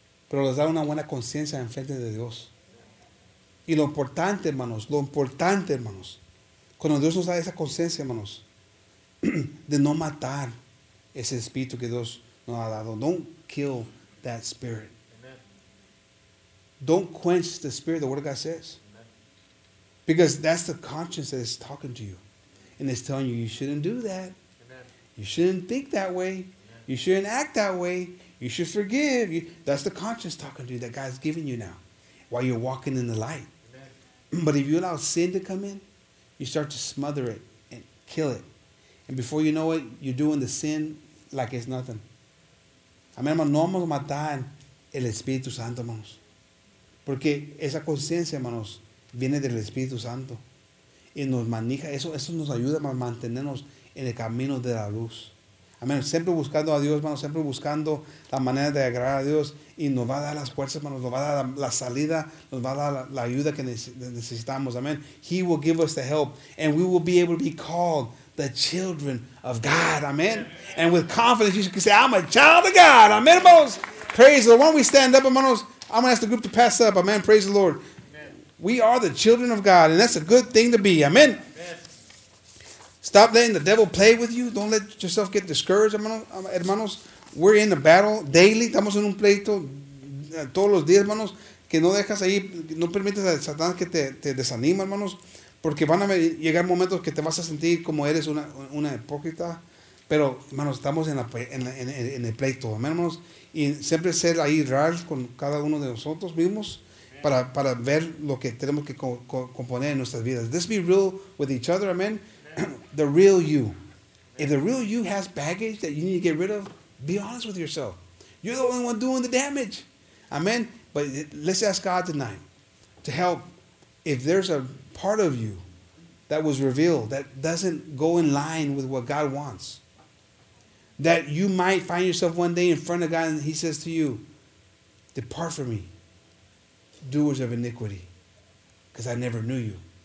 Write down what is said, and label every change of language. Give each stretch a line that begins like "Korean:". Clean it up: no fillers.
Spanish: Pero les da una buena conciencia en frente de Dios. Y lo importante, hermanos, cuando Dios nos da esa conciencia, hermanos, de no matar ese espíritu que Dios nos ha dado.
English: Don't kill that spirit. Amen. Don't quench the spirit, the word of God says. Because that's the conscience that is talking to you. And it's telling you, you shouldn't do that. Amen. You shouldn't think that way. Amen. You shouldn't act that way. You should forgive. That's the conscience talking to you that God's giving you now while you're walking in the light. Amen. But if you allow sin to come in, you start to smother it and kill it. And before you know it, you're doing the sin like it's nothing.
Spanish: Amén, hermano, no vamos a matar el Espíritu Santo, hermanos. Porque esa conciencia, hermanos, viene del Espíritu Santo y nos maneja, eso nos ayuda a mantenernos en el camino de la luz. Amén. Siempre buscando a Dios, hermano, siempre buscando la manera de agradar a Dios, y nos va a dar las fuerzas, hermano, nos va a dar la salida, nos va a dar la ayuda que necesitamos. Amén.
English: He will give us the help and we will be able to be called the children of God. Amén. And with confidence you can say, I'm a child of God. Amén, hermanos. Praise the Lord. Why don't we stand up, hermanos? I'm going to ask the group to pass up. Amén. Praise the Lord. We are the children of God, and that's a good thing to be. Amen. Stop letting the devil play with you. Don't let yourself get discouraged, hermanos. We're in a battle daily.
Spanish: Estamos en un pleito todos los días, hermanos. Que no dejas ahí, no permites a Satanás que te desanime, hermanos. Porque van a llegar momentos que te vas a sentir como eres una hipócrita. Pero, hermanos, estamos en el pleito, hermanos. Y siempre ser ahí real con cada uno de nosotros mismos. Para ver lo que tenemos que componer en nuestras vidas.
English: Let's be real with each other, amen. The real you. If the real you has baggage that you need to get rid of, be honest with yourself. You're the only one doing the damage. Amen. But let's ask God tonight to help. If there's a part of you that was revealed that doesn't go in line with what God wants, that you might find yourself one day in front of God and he says to you, depart from me, doers of iniquity, because I never knew you.